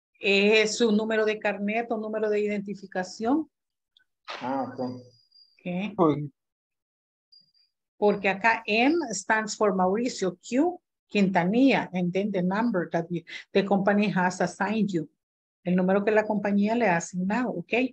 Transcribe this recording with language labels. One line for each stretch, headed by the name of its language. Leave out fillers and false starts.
Spanish: Es su número de carnet o número de identificación. Ah, ok. ¿Qué? Porque acá
English: N stands for Mauricio, Q, Quintanilla, and then the number that you, the company has assigned you.
Spanish: El número que la compañía le ha asignado, ok.